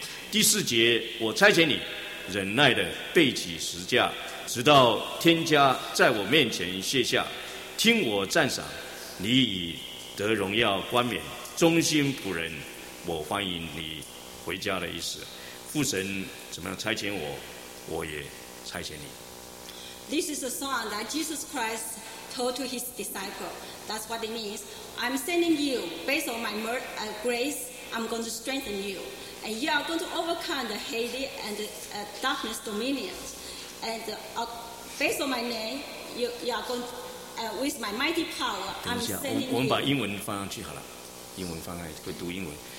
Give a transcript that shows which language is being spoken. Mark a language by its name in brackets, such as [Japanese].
[Chinese] 第四节，我差遣你忍耐的背起十字架，直到天家在我面前卸下，听我赞赏，你已得荣耀冠冕，忠心仆人，我欢迎你回家的意思。父神怎么样差遣我，我也差遣你。 [English] This is a song that Jesus Christ told to his disciple. That's what it means. I'm sending you based on my grace. I'm going to strengthen you, and you are going to overcome the hate and the darkness dominion. And based on my name, you are going to, with my mighty power. [Chinese] 等一下， [English] I'm sending you. [Chinese] 我们把英文放上去好了，英文放上去会读英文。